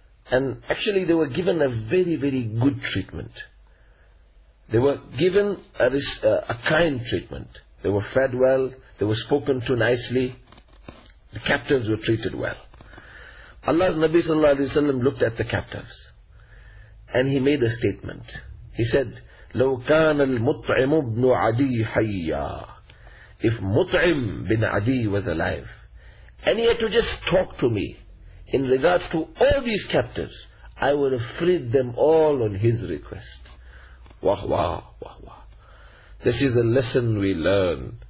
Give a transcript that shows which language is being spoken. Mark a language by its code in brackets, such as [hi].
[en] And actually they were given a very, very good treatment. They were given a kind treatment. They were fed well. They were spoken to nicely. The captives were treated well. Allah's Nabi sallallahu alayhi wa sallam looked at the captives. And he made a statement. He said, [ar] لو كان المطعم بن عدي حيا. [en] If Mut'im bin Adi was alive, and he had to just talk to me in regards to all these captives, I would have freed them all on his request. Wah, wah, wah, wah. This is a lesson we learn.